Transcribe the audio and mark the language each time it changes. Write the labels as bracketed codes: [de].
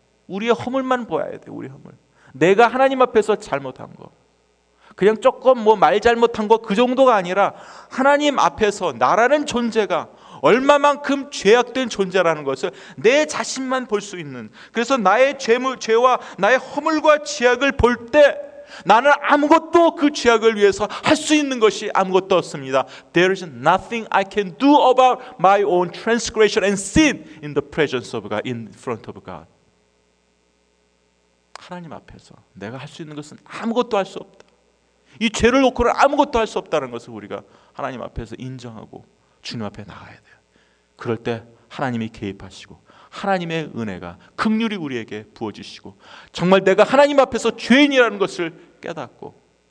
[ko] 우리의 허물만 보아야 돼요. 우리 허물, 내가 하나님 앞에서 잘못한 거, 그냥 조금 뭐 말 잘못한 거, 그 정도가 아니라 하나님 앞에서 나라는 존재가 얼마만큼 죄악된 존재라는 것을 내 자신만 볼 수 있는, 그래서 나의 죄와 나의 허물과 죄악을 볼 때 나는 아무것도 그 죄악을 위해서 할 수 있는 것이 아무것도 없습니다. [en] There is nothing I can do about my own transgression and sin in the presence of God, in front of God. [ko] 하나님 앞에서 내가 할 수 있는 것은 아무것도 할 수 없다. 이 죄를 놓고는 아무것도 할 수 없다는 것을 우리가 하나님 앞에서 인정하고 주님 앞에 나가야 돼요. 그럴 때 하나님이 개입하시고 하나님의 은혜가 긍휼히 우리에게 부어주시고 정말 내가 하나님 앞에서 죄인이라는 것을 깨닫고